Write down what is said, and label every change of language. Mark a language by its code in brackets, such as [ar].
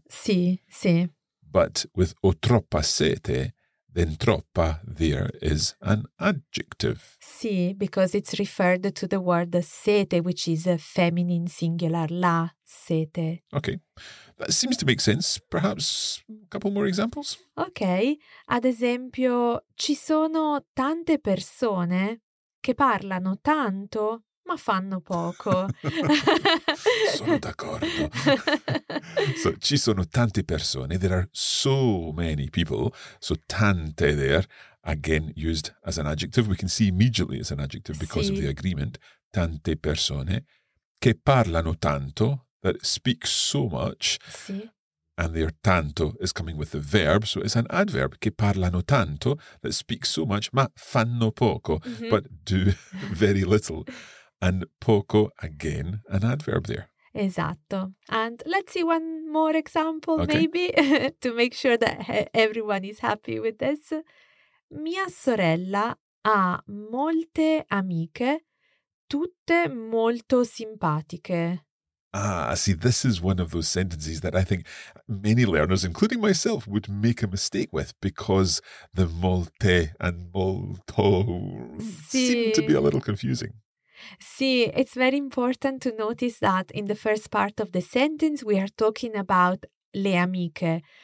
[it] Sì, sì. [en] But with [it] ho troppa sete, [en] then troppa there is an adjective. [it] Sì, [en] because it's referred to the word sete, which is a feminine singular, [it] la sete. [en] Okay, that seems to make sense. Perhaps a couple more examples? [it] Okay, ad esempio, ci sono tante persone che parlano tanto, ma fanno poco. Sono d'accordo. So, ci sono tante persone. [en] There are so many people. So, tante there, again, used as an adjective. We can see immediately as an adjective because [it] sì. [en] of the agreement. [it] Tante persone che parlano tanto, [en] that speak so much. [it] Sì. [en] And their tanto is coming with the verb, so it's an adverb. [it] Che parlano tanto, [en] that speak so much, [it] ma fanno poco, mm-hmm. [en] but do very little. And poco, again, an adverb there. [it] Esatto. [en] And let's see one more example, okay. maybe, to make sure that everyone is happy with this. [it] Mia sorella ha molte amiche, tutte molto simpatiche. [en] Ah, see, this is one of those sentences that I think many learners, including myself, would make a mistake with because the molte and molto [it] sì. [en] seem to be a little confusing. See, it's very important to notice that in the first part of the sentence, we are talking about [it] le amiche.